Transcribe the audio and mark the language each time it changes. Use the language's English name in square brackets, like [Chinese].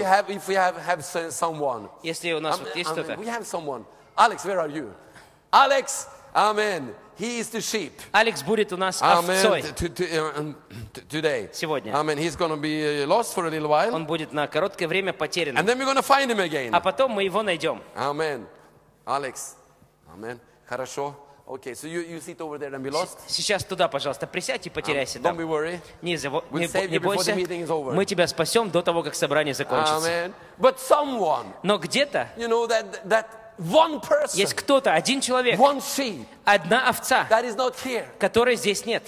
[English] If we have someone. [Russian] Если у нас вот есть кто-то. [English] We have someone. Alex, where are you? Alex. Amen. He is the sheep. [Russian] Alex будет у нас овцой. [English] Today. [Russian] Сегодня. [English] Amen. He's going to be lost for a little while. [Russian] Он будет на короткое время потерян. [English] And then we're going to find him again. [Russian] А потом мы его найдем. [English] Amen. Alex. Amen. [Russian] Хорошо. [English] Okay. So you sit over there and be lost. [Russian] Сейчас туда, пожалуйста, присядь и потеряйся. [English] Don't be worried. [Russian] Не бойся. Мы тебя спасем до того, как собрание закончится. [English] Amen. But someone. [Russian] Но где-то. [English] You know that. One person. [Russian] Есть кто-то, один человек. [English] One sheep. [Russian] Одна овца. [English] That is not here. [Russian] Которой здесь нет.